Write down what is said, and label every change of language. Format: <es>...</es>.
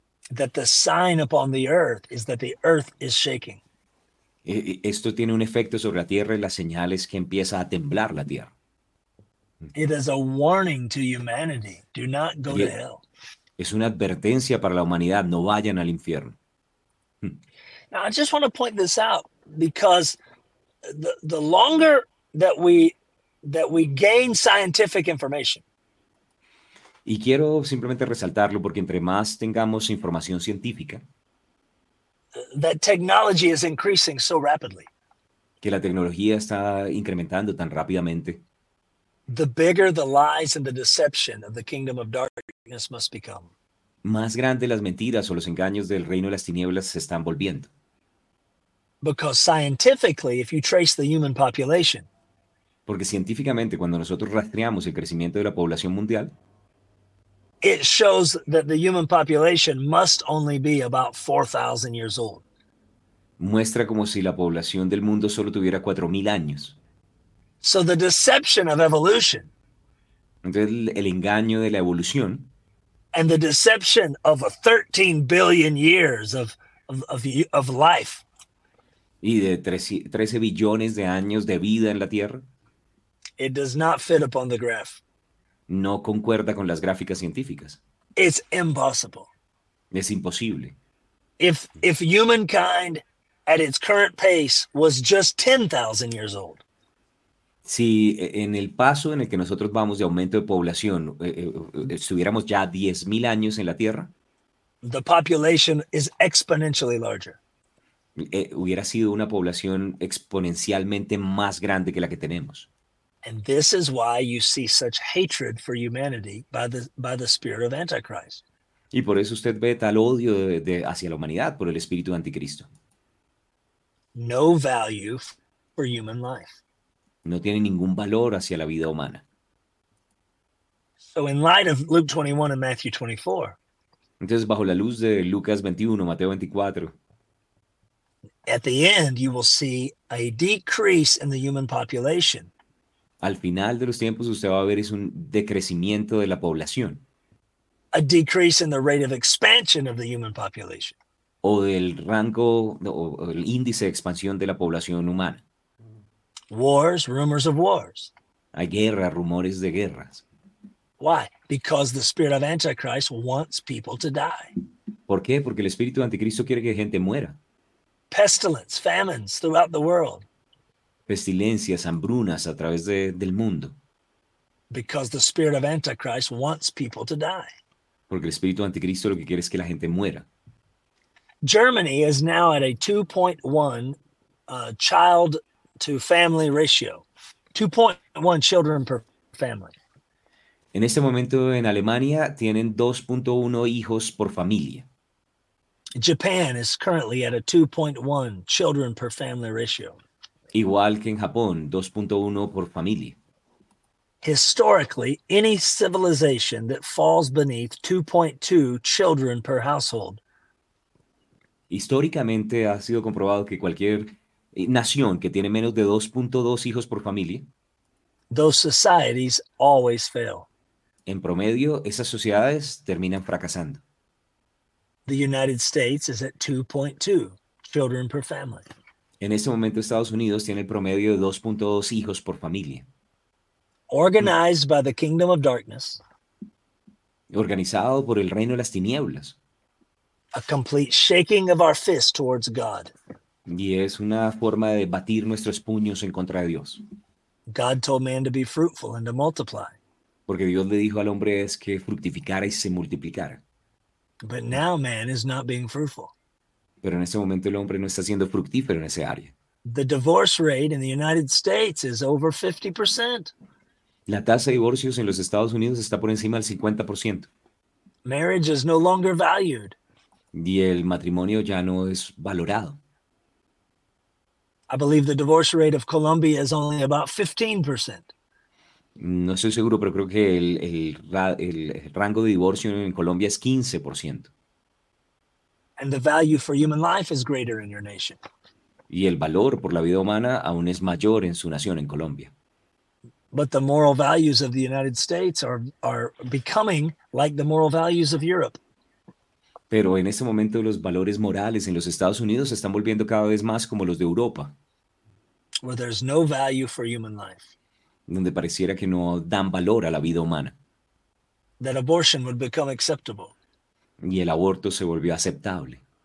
<en>that the sign upon the earth is that the earth is shaking.</en> <es>Esto tiene un efecto sobre la tierra y las señales que empieza a temblar la tierra.</es> <en>It is a warning to humanity, do not go to hell.</en> <es>Es una advertencia para la humanidad, no vayan al infierno.</es> <en>Now I just want to point this out because the longer that we gain scientific information.</en> <es>Y quiero simplemente resaltarlo porque entre más tengamos información científica,</es> <en>that technology is increasing so rapidly.</en> <es>Que la tecnología está incrementando tan rápidamente.</es> <en>The bigger the lies and the deception of the kingdom of darkness must become.</en> <es>Más grande las mentiras o los engaños del reino de las tinieblas se están volviendo.</es> <en>Because scientifically, if you trace the human population,</en> <es>porque científicamente, cuando nosotros rastreamos el crecimiento de la población mundial,</es> <en>it shows that the human population must only be about 4,000 years old.</en> <es>Muestra como si la población del mundo solo tuviera 4,000 años.</es> <en>So the deception of evolution,</en> <es>entonces el engaño de la evolución,</es> <en>and the deception of 13 billion years of life,</en> <es>y de 13 billones de años de vida en la Tierra,</es> <en>it does not fit upon the graph.</en> <es>no concuerda con las gráficas científicas.</es> <en>It's impossible.</en> <es>Es imposible.</es> <en>If humankind at its current pace was just 10,000 years old.</en> <es>Si en el paso en el que nosotros vamos de aumento de población estuviéramos ya 10,000 años en la Tierra,</es> <en>the population is exponentially larger.</en> <es>Hubiera sido una población exponencialmente más grande que la que tenemos.</es> <en>And this is why you see such hatred for humanity by the spirit of Antichrist.</en> <es>Y por eso usted ve tal odio de hacia la humanidad por el espíritu de Anticristo.</es> <en>No value for human life.</en> <es>No tiene ningún valor hacia la vida humana.</es> <en>So in light of Luke 21 and Matthew 24.</en> <es>Entonces bajo la luz de Lucas 21, Mateo 24.</es> <en>At the end you will see a decrease in the human population.</en> <es>Al final de los tiempos usted va a ver es un decrecimiento de la población.</es> <en>A decrease in the rate of expansion of the human population.</en> <es>O del rango o el índice de expansión de la población humana.</es> <en>Wars, rumors of wars.</en> <es>Hay guerra, rumores de guerras.</es> <en>Why? Because the spirit of Antichrist wants people to die.</en> <es>¿Por qué? Porque el espíritu de Anticristo quiere que gente muera.</es> <en>Pestilence, famines throughout the world.</en> <es>Pestilencias, hambrunas a través del mundo.</es> <en>Because the spirit of Antichrist wants people to die.</en> <es>Porque el espíritu anticristo lo que quiere es que la gente muera.</es> <en>Germany is now at a 2.1 child to family ratio. 2.1 children per family.</en> <es>En este momento en Alemania tienen 2.1 hijos por familia.</es> <en>Japan is currently at a 2.1 children per family ratio.</en> <es>Igual que en Japón, 2.1 por familia.</es> <en>Historically, any civilization that falls beneath 2.2 children per household.</en> <es>Históricamente ha sido comprobado que cualquier nación que tiene menos de 2.2 hijos por familia,</es> <en>those societies always fail.</en> <es>En promedio, esas sociedades terminan fracasando.</es> <en>The United States is at 2.2 children per family.</en> <es>En este momento Estados Unidos tiene el promedio de 2.2 hijos por familia.</es> <en>Organized by the kingdom of darkness.</en> <es>Organizado por el reino de las tinieblas.</es> <en>A complete shaking of our fists towards God.</en> <es>Y es una forma de batir nuestros puños en contra de Dios.</es> <en>God told man to be fruitful and to multiply.</en> <es>Porque Dios le dijo al hombre es que fructificara y se multiplicara.</es> <en>But now man is not being fruitful.</en> <es>Pero en este momento el hombre no está siendo fructífero en ese área.</es> <en>The divorce rate in the United States is over 50%.</en> <es>La tasa de divorcios en los Estados Unidos está por encima del 50%.</es> <en>Marriage is no longer valued.</en> <es>Y el matrimonio ya no es valorado.</es> <en>I believe the divorce rate of Colombia is only about 15%.</en> <es>No estoy seguro, pero creo que el rango de divorcio en Colombia es 15%.</es> <en>And the value for human life is greater in your nation.</en> <es>Y el valor por la vida humana aún es mayor en su nación, en Colombia.</es> <en>But the moral values of the United States are becoming like the moral values of Europe.</en> <es>Pero en este momento los valores morales en los Estados Unidos se están volviendo cada vez más como los de Europa.</es> <en>Where there's no value for human life.</en> <es>Donde pareciera que no dan valor a la vida humana.</es> <en>That abortion would become acceptable.</en> <es>Y el aborto se volvió aceptable.</es>